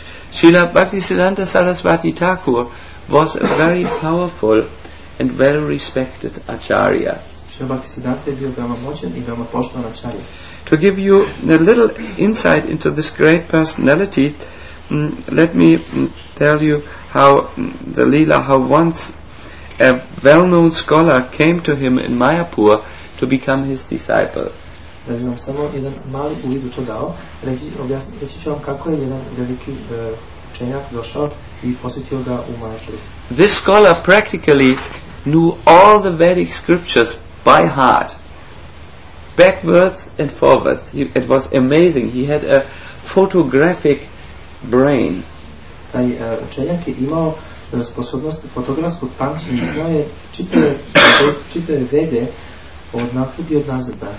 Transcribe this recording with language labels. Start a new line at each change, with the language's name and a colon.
English: Srila Bhaktisiddhanta Saraswati Thakur was a very powerful and well respected acharya.
Serbian: Srila Bhaktisiddhanta je bio veoma moćan i veoma poštovan acharya.
English: To give you a little insight into this great personality, let me tell you how the Leela, how once a well-known scholar came to him in Mayapur to become his disciple.
Serbian: da bi nam samo jedan mali uvid u to dao. Reći ću vam kako je jedan veliki učenjak došao i posjetio ga u Mysore.
English: This scholar practically knew all the Vedic scriptures by heart, backwards and forwards. It was amazing. He had a photographic brain.
Serbian: Taj učenjak je imao sposobnost fotografskog pamćenja, znao je čitave vede od napred i od nazad.